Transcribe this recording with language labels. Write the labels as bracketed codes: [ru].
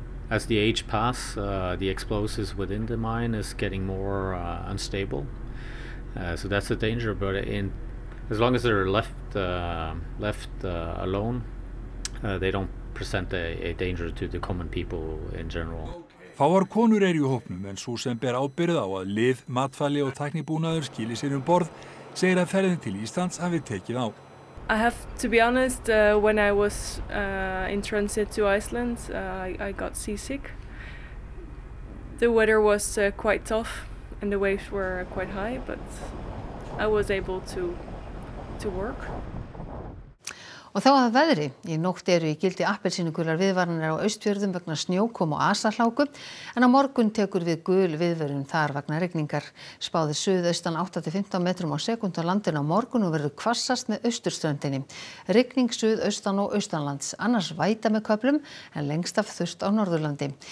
[en] As the age pass, the explosives within the mine is getting more unstable. So that's a danger, but in as long as they're left alone, they don't present a danger to the common people in general. [is] Fáar konur eru í hópnum, en sú sem ber ábyrgð á að lyf, matfæli og tæknibúnaður skili sér borð, segir að ferðin til Íslands hafi tekið á. [en] I have to be honest, when I was in transit to Iceland, I got seasick. The weather was quite tough and the waves were quite high, but I was able to work. [is] Og þá að veðri. Í nótt eru í gildi appelsínugular viðvaranir á Austfjörðum vegna snjókom og asahláku, en á morgun tekur við gul viðvörun þar vegna rigningar. Spáði suðaustan 8-15 metrum á sekund á landinu á morgun og verður hvassast með austurströndinni. Rigning suðaustan og austanlands, annars væta með köflum, en lengst af þurft á Norðurlandi.